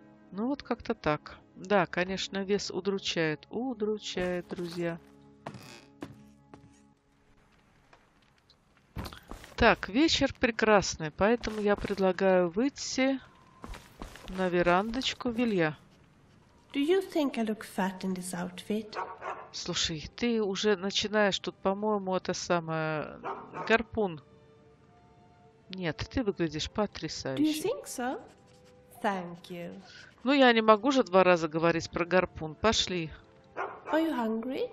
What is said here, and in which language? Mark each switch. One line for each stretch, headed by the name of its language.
Russian: Ну вот как-то так. Да, конечно, вес удручает. Удручает, друзья. Так, вечер прекрасный. Поэтому я предлагаю выйти на верандочку Вилья.
English: Do you think I look fat in this outfit?
Russian: Слушай, ты уже начинаешь тут, по-моему, это самое... Гарпун. Нет, ты выглядишь потрясающе.
English: Do you think so? Thank you.
Russian: Ну, я не могу же два раза говорить про гарпун. Пошли.
English: Are you hungry?